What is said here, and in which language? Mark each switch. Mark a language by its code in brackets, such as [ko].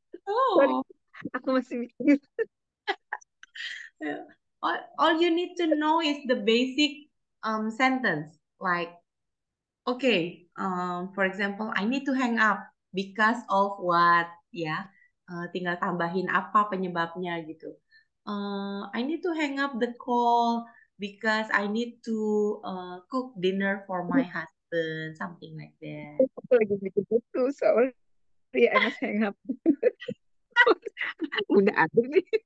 [id] Oh. Aku masih mikir. [en] All you need to know is the basic sentence like Okay, for example, I need to hang up because of what, ya? [id] Tinggal tambahin apa penyebabnya gitu. [en] I need to hang up the call because I need to cook dinner for my husband, something like that. [id] Lagi bikin itu soalnya [en] I must hang up. [id] Udah atur nih.